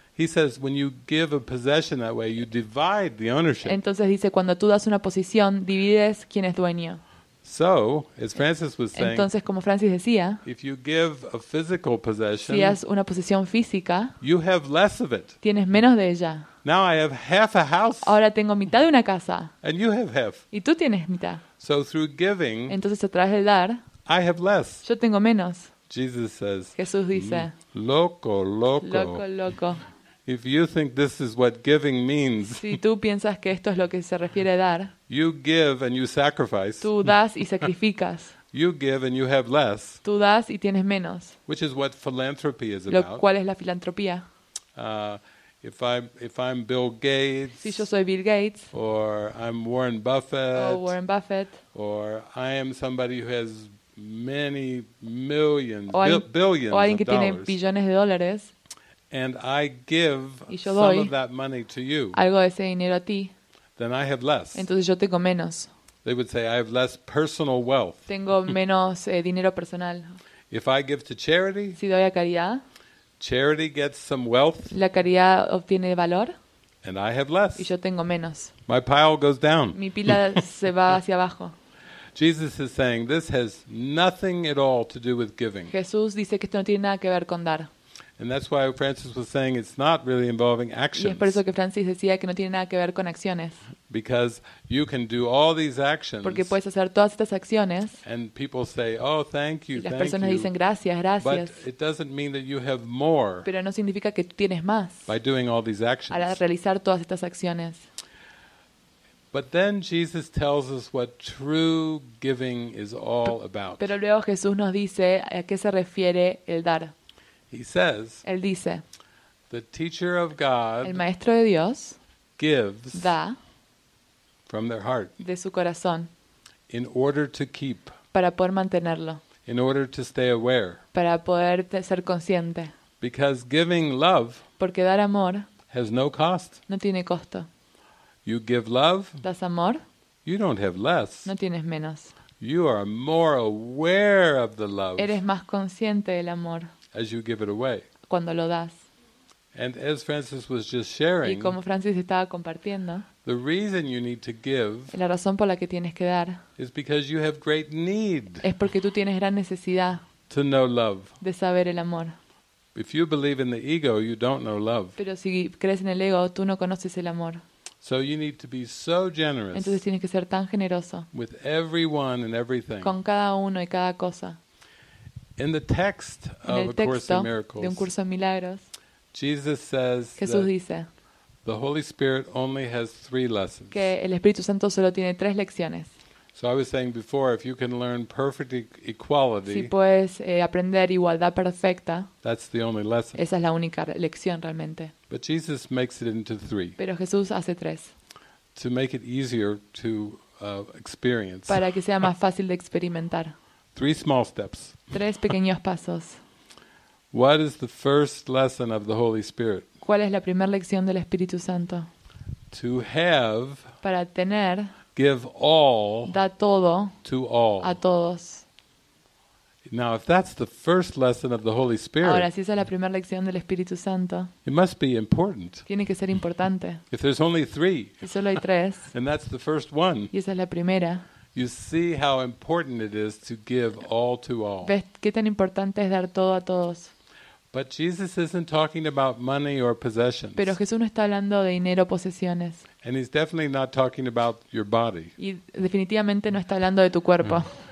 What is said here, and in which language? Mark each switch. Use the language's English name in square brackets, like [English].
[English] He says, when you give a possession that way, you divide the ownership. [Spanish] Entonces dice, cuando tú das una posesión, divides quién es dueño. [English] So, as Francis was saying, [Spanish] entonces, como Francis decía, [English] if you give a physical possession, [Spanish] si das una posesión física, [English] you have less of it. [Spanish] Tienes menos de ella. [English] Now I have half a house. [Spanish] Ahora tengo mitad de una casa. [English] And you have half. [Spanish] Y tú tienes mitad. [English] So through giving, [Spanish] entonces a través del dar, [English] I have less. [Spanish] Yo tengo menos. [English] Jesus says, [Spanish] Jesús dice, loco, loco, loco, loco. [English] If you think this is what giving means, [Spanish] si tú piensas que esto es lo que se refiere a dar, [English] you give and you sacrifice. [Spanish] Tú das y sacrificas. [English] You give and you have less. [Spanish] Tú das y tienes menos. [English] Which is what philanthropy is [Spanish] lo [English] about. [Spanish] ¿Cuál es la filantropía? [English] If I'm Bill Gates. [Spanish] Si yo soy Bill Gates. [English] Or I'm Warren Buffett. [Spanish] O Warren Buffett. [English] Or I am somebody who has many millions, billions. [Spanish] O alguien que tiene billones de dólares. [English] And I give some of that money to you. [Spanish] Algo de ese dinero a ti. [English] Then I have less. [Spanish] Entonces yo tengo menos. [English] They would say I have less personal wealth. [Spanish] Tengo menos dinero personal. [English] If I give to charity, [Spanish] si doy a caridad, [English] charity gets some wealth. [Spanish] La caridad obtiene valor. [English] and I have less. [Spanish] Y yo tengo menos. [English] My pile goes down. [Spanish] Mi pila se va hacia abajo. [English] Jesus is saying this has nothing at all to do with giving. [Spanish] Jesús dice que esto no tiene nada que ver con dar. [English] And that's why Francis was saying it's not really involving actions. [Spanish] Y es por eso que Francis decía que no tiene nada que ver con acciones. [English] Because you can do all these actions. [Spanish] Porque puedes hacer todas estas acciones. [English] And people say, "Oh, thank you, thank you." [Spanish] Las personas dicen gracias, gracias. [English] But it doesn't mean that you have more. [Spanish] Pero no significa que tú tienes más. [English] By doing all these actions. [Spanish] Al realizar todas estas acciones. [English] But then Jesus tells us what true giving is all about. [Spanish] Pero luego Jesús nos dice a qué se refiere el dar. [English] He says, [Spanish] él dice, [English] the teacher of God, [Spanish] el maestro de Dios, [English] gives, [Spanish] da, [English] from their heart, [Spanish] de su corazón, [English] in order to keep, [Spanish] para poder mantenerlo, [English] in order to stay aware, [Spanish] para poder ser consciente, [English] because giving love, [Spanish] porque dar amor, [English] has no cost, [Spanish] no tiene costo. [English] You give love, [Spanish] das amor, [English] you don't have less. [Spanish] No tienes menos. [English] You are more aware of the love. [Spanish] Eres más consciente del amor. [English] As you give it away. [Spanish] Cuando lo das. [English] And as Francis was just sharing. [Spanish] Y como Francis estaba compartiendo. [English] The reason you need to give. [Spanish] La razón por la que tienes que dar. [English] Is because you have great need. [Spanish] Es porque tú tienes gran necesidad. [English] To know love. [Spanish] De saber el amor. [English] If you believe in the ego, you don't know love. [Spanish] Pero si crees en el ego, tú no conoces el amor. [English] So you need to be so generous. [Spanish] Entonces tienes que ser tan generoso. [English] With everyone and everything. [Spanish] Con cada uno y cada cosa. [English] In the text of A Course in Miracles. [Spanish] De un curso en milagros. [English] Jesus says. [Spanish] Jesús dice. [English] The Holy Spirit only has three lessons. [Spanish] Que el Espíritu Santo solo tiene tres lecciones. [English] So I was saying before, if you can learn perfect equality. [Spanish] Si puedes aprender igualdad perfecta. [English] That's the only lesson. [Spanish] Esa es la única lección realmente. [English] But Jesus makes it into three. [Spanish] Pero Jesús hace tres. [English] To make it easier to experience. [Spanish] Para que sea más fácil de experimentar. [English] Three small steps. [Spanish] Tres pequeños pasos. [English] What is the first lesson of the Holy Spirit? [Spanish] ¿Cuál es la primera lección del Espíritu Santo? [English] To have. [Spanish] Para tener. [English] Give all. [Spanish] Da todo. [English] To all. [Spanish] A todos. [English] Now, if that's the first lesson of the Holy Spirit, [Spanish] ahora si esa es la primera lección del Espíritu Santo, [English] it must be important. [Spanish] Tiene que ser importante. [English] If there's only three, [Spanish] si solo hay tres, [English] and that's the first one, [Spanish] y esa es la primera, [English] you see how important it is to give all to all. [Spanish] Ves qué tan importante es dar todo a todos. [English] But Jesus isn't talking about money or possessions. [Spanish] Pero Jesús no está hablando de dinero o posesiones. [English] And he's definitely not talking about your body. [Spanish] Y definitivamente no está hablando de tu cuerpo.